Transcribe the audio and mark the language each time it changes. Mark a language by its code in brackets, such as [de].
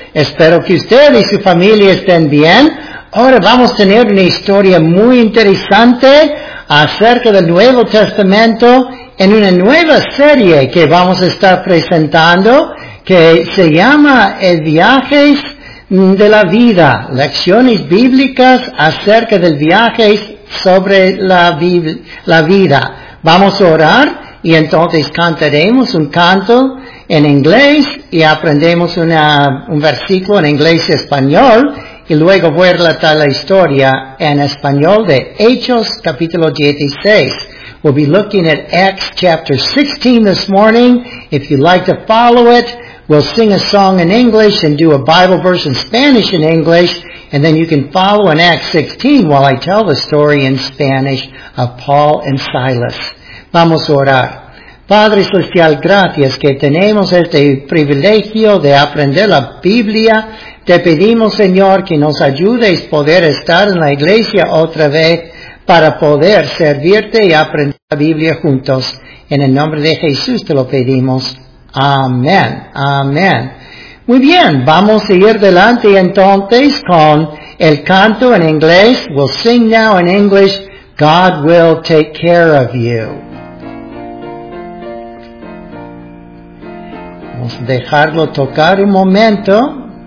[es] Espero que usted y su familia estén bien. Ahora vamos a tener una historia muy interesante acerca del Nuevo Testamento en una nueva serie que vamos a estar presentando que se llama El Viaje de la Vida, lecciones bíblicas acerca del viaje sobre la vida. Vamos a orar. Y entonces cantaremos un canto en inglés y aprendemos un versículo en inglés y español. Y luego voy a relatar la historia en español de Hechos capítulo 16. [en] We'll be looking at Acts chapter 16 this morning. If you'd like to follow it, we'll sing a song in English and do a Bible verse in Spanish in English. And then you can follow in Acts 16 while I tell the story in Spanish of Paul and Silas. [es] Vamos a orar. Padre Celestial, gracias que tenemos este privilegio de aprender la Biblia. Te pedimos, Señor, que nos ayudes a poder estar en la iglesia otra vez para poder servirte y aprender la Biblia juntos. En el nombre de Jesús te lo pedimos. Amén. Amén. Muy bien, vamos a ir adelante entonces con el canto en inglés. [en] We'll sing now in English, God Will Take Care of You. [es] Vamos a dejarlo tocar un momento.